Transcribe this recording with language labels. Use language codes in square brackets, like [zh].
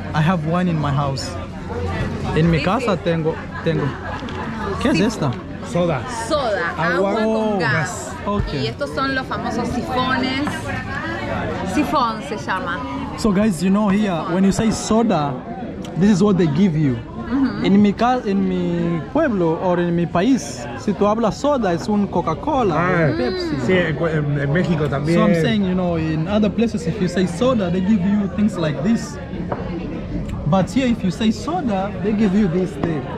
[en] I have wine in my house. [es] En mi casa tengo. ¿Qué es esta? Soda. Soda, agua con gas. Yes. Okay. Y estos son los famosos sifones. Sifón se llama. [en] So guys, you know here, when you say soda, this is what they give you. Mm-hmm. [es] En mi pueblo o en mi país, si tú hablas soda, es un Coca-Cola, un Pepsi. Sí, en México también. [en] So I'm saying, you know, in other places, if you say soda, they give you things like this. But here, if you say soda, they give you this thing.